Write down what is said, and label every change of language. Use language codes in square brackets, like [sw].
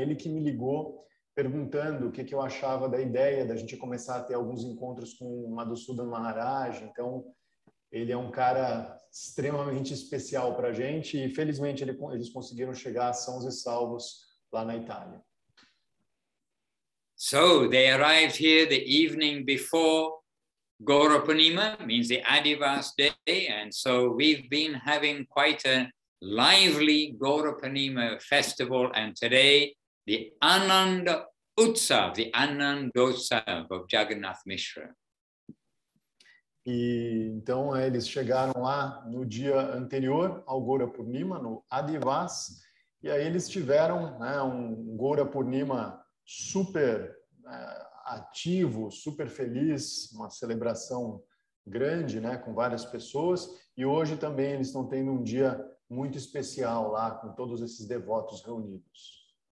[pt] Ele que me ligou perguntando o que eu achava da ideia da gente começar a ter alguns encontros com o Madhusudan Maharaj. Então, ele é um cara extremamente especial para a gente, e felizmente eles conseguiram chegar sãos e salvos lá na Itália. [en] So, they arrived here the evening before Gaura Purnima, means the Adivas day, and so we've been having quite a lively Gaura Purnima festival, and today the Ananda Utsav, the Anandotsav of Jagannath Mishra. [pt] E então eles chegaram lá no dia anterior ao Gaura Purnima, no Adivas, e aí eles tiveram, né, um Gaura Purnima super ativo, super feliz, uma celebração grande, né, com várias pessoas, e hoje também eles estão tendo um dia muito especial lá com todos esses devotos reunidos.